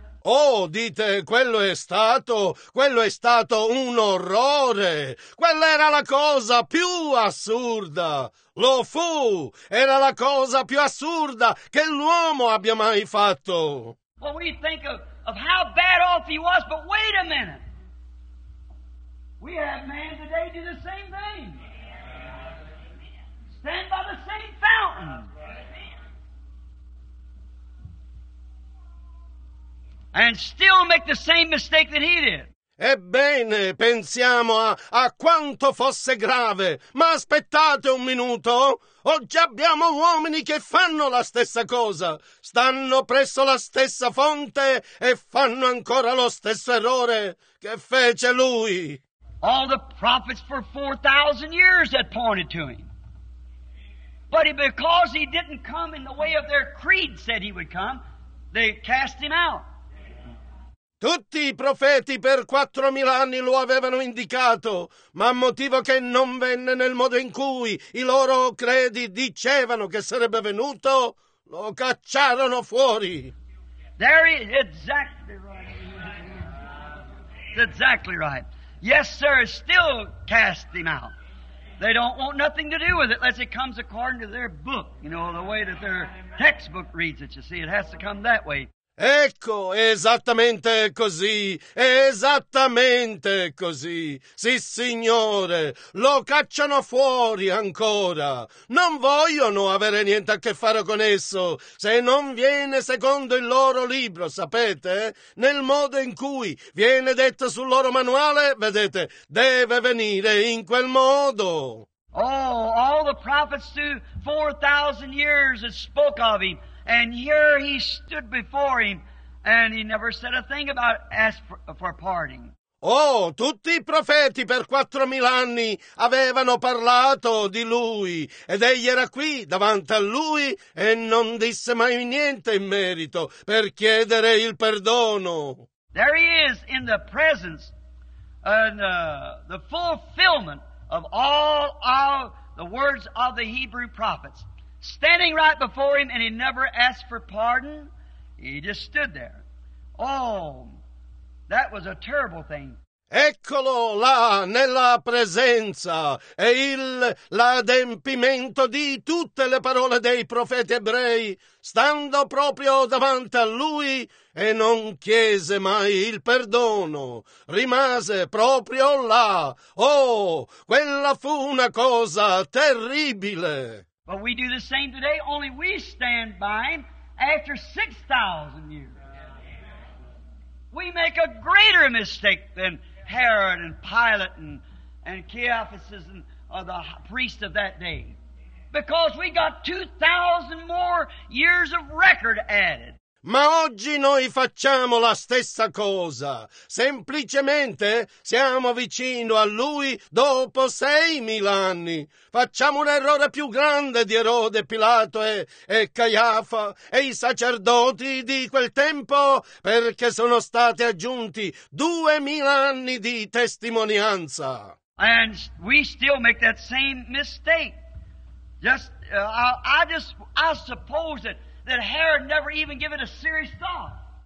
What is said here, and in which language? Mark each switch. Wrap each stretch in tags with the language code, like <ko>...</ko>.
<it>Oh, dite, quello è stato un orrore. Quella era la cosa più assurda. Lo fu. Era la cosa più assurda che l'uomo abbia mai fatto.</it> <en>Well, we think of how bad off he was, but wait a minute. We have man today do the same thing. Stand by the same fountain. And still make the same mistake that he did.</en> <it>Ebbene, pensiamo a quanto fosse grave. Ma aspettate un minuto. Oggi abbiamo uomini che fanno la stessa cosa. Stanno presso la stessa fonte e fanno ancora lo stesso errore che fece lui.</it> <en>All the prophets for 4,000 years had pointed to him. But because he didn't come in the way of their creed said he would come, they cast him out.</en> <it>Tutti i profeti per 4,000 anni lo avevano indicato, ma a motivo che non venne nel modo in cui i loro credi dicevano che sarebbe venuto, lo cacciarono fuori.</it> <en>There he is, exactly right. That's exactly right. Yes, sir, still cast him out. They don't want nothing to do with it unless it comes according to their book, you know, the way that their textbook reads it, you see. It has to come that way.</en> <it>Ecco, esattamente così, esattamente così. Sì, signore, lo cacciano fuori ancora. Non vogliono avere niente a che fare con esso se non viene secondo il loro libro, sapete? Nel modo in cui viene detto sul loro manuale, vedete, deve venire in quel modo.</it> <en>Oh, all the prophets to 4,000 years that spoke of him. And here he stood before him, and he never said a thing about asking for pardon.</en> <it>Oh, tutti i profeti per 4,000 anni avevano parlato di lui, ed egli era qui davanti a lui e non disse mai niente in merito per chiedere il perdono.</it> <en>There he is in the presence and the fulfillment of all of the words of the Hebrew prophets. Standing right before him, and he never asked for pardon. He just stood there. Oh, that was a terrible thing.</en> <it>Eccolo là, nella presenza, è l'adempimento di tutte le parole dei profeti ebrei, stando proprio davanti a lui, e non chiese mai il perdono, rimase proprio là. Oh, quella fu una cosa terribile.</it> <en>But we do the same today, only we stand by him after 6,000 years. We make a greater mistake than Herod and Pilate and Caiaphas and the priest of that day. Because we got 2,000 more years of record added.</en> <it>Ma oggi noi facciamo la stessa cosa. Semplicemente siamo vicino a lui dopo 6,000 anni. Facciamo un errore più grande di Erode, Pilato e Caiafa e i sacerdoti di quel tempo, perché sono stati aggiunti 2,000 anni di testimonianza.</it> <en>And we still make that same mistake. I suppose that Herod never even gave it a serious thought.</en>